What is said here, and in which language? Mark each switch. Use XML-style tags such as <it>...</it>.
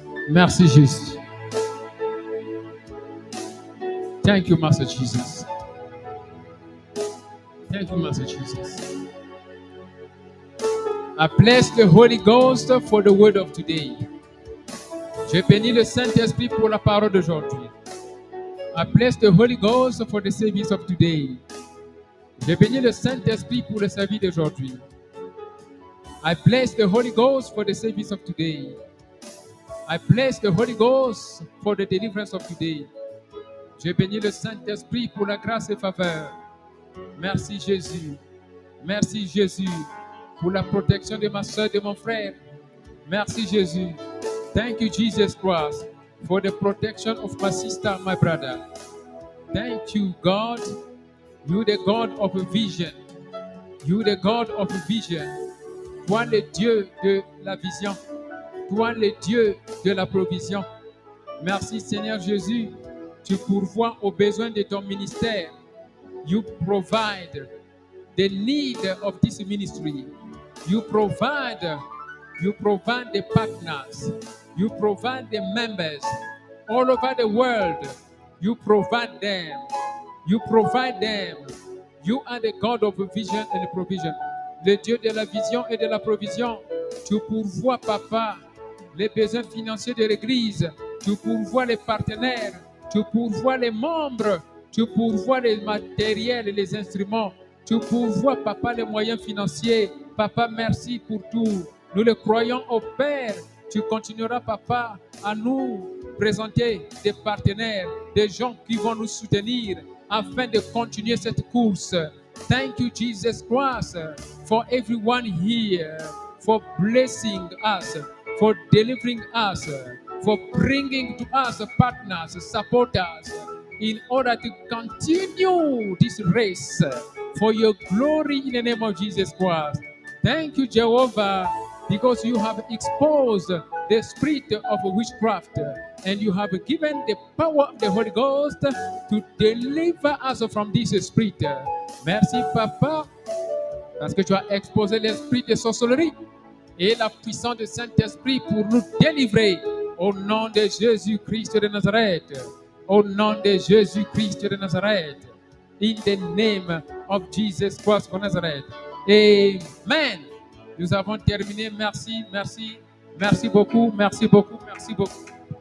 <fr>Merci, Jésus.</fr> <en>Thank you, Master Jesus. Thank you, Master Jesus. I bless the Holy Ghost for the word of today.</en> <fr>Je bénis le Saint-Esprit pour la parole d'aujourd'hui.</fr> <en>I bless the Holy Ghost for the service of today.</en> <fr>Je bénis le Saint-Esprit pour le service d'aujourd'hui.</fr> <en>I bless the Holy Ghost for the service of today. I bless the Holy Ghost for the deliverance of today.</en> <fr>Je bénis le Saint-Esprit pour la grâce et faveur. Merci Jésus. Merci Jésus pour la protection de ma soeur et de mon frère. Merci Jésus.</fr> <en>Thank you Jesus Christ for the protection of my sister, my brother. Thank you God. You the God of vision. You the God of vision.</en> <fr>Toi le Dieu de la vision. Toi, le Dieu de la provision. Merci, Seigneur Jésus. Tu pourvois aux besoins de ton ministère.</fr> <en>You provide the need of this ministry. You provide the partners. You provide the members all over the world. You provide them. You are the God of vision and provision.</en> <fr>Le Dieu de la vision et de la provision. Tu pourvois, Papa, les besoins financiers de l'Église. Tu pourvois les partenaires. Tu pourvois les membres. Tu pourvois les matériels et les instruments. Tu pourvois, Papa, les moyens financiers. Papa, merci pour tout. Nous le croyons au Père. Tu continueras, Papa, à nous présenter des partenaires, des gens qui vont nous soutenir afin de continuer cette course.</fr> <en>Thank you, Jesus Christ, for everyone here, for blessing us, for delivering us, for bringing to us partners, supporters, in order to continue this race for your glory in the name of Jesus Christ. Thank you, Jehovah, because you have exposed the spirit of witchcraft and you have given the power of the Holy Ghost to deliver us from this spirit.</en> <fr>Merci, Papa, parce que tu as exposé l'esprit de sorcellerie et la puissance du Saint-Esprit pour nous délivrer au nom de Jésus-Christ de Nazareth. Au nom de Jésus-Christ de Nazareth.</fr> <en>In the name of Jesus Christ of Nazareth. Amen.</en> <fr>Nous avons terminé. Merci, merci, merci beaucoup, merci beaucoup, merci beaucoup.</fr>